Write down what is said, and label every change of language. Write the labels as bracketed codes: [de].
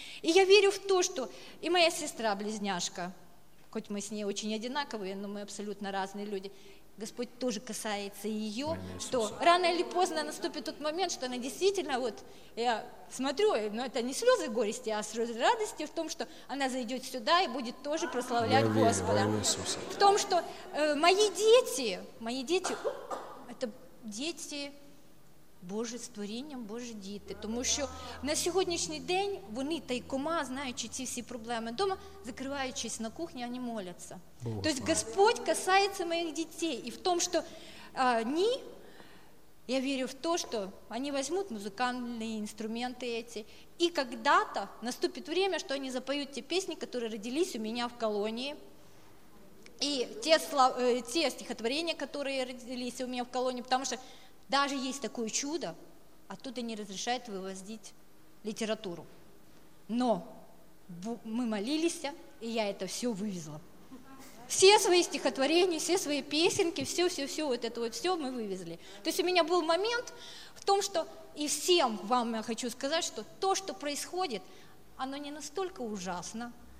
[ru] И я верю в то, что и моя сестра-близняшка, хоть мы с ней очень одинаковые, но мы абсолютно разные люди, Господь тоже касается ее, что рано или поздно наступит тот момент, что она действительно, вот я смотрю, но это не слезы горести, а слезы радости в том, что она зайдет сюда и будет тоже прославлять я Господа. Верю, в том, что мои дети, это дети [uk] Божі створінням, Божі діти. Тому що на сьогоднішній день вони тайкома, знаючи ці всі проблеми вдома, закриваючись на кухні, вони моляться. Бог, тобто Бог. Господь касається моїх дітей. І в тому, що ні, я вірю в те, що вони візьмуть музикальні інструменти ці. І коли-то наступить час, що вони запоють ті пісні, які родились у мене в колонії. І ті стихотворення, які родились у мене в колонії, тому що [ru] даже есть такое чудо, оттуда не разрешают вывозить литературу. Но мы молились, и я это все вывезла. Все свои стихотворения, все свои песенки, все-все-все, вот это вот все мы вывезли. То есть у меня был момент в том, что и всем вам я хочу сказать, что то, что происходит, оно не настолько ужасно.